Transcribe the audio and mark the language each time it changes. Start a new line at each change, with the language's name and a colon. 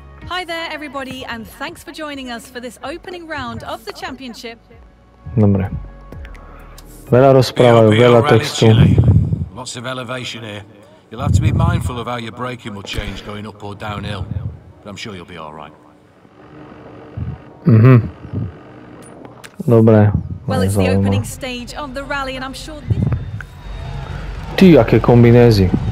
English: Hi there everybody and thanks for joining us for this opening round of the championship.
Slovak: Dobre. Veľa rozprávajú, veľa textu.
English: Lots of elevation here. You'll have to be mindful of how your braking will change going up or downhill. But I'm sure you'll be all right.
Slovak: Mhm. Dobre.
English: Well, it's the opening stage of the rally and I'm sure...
Slovak: Ty, aké kombinézy.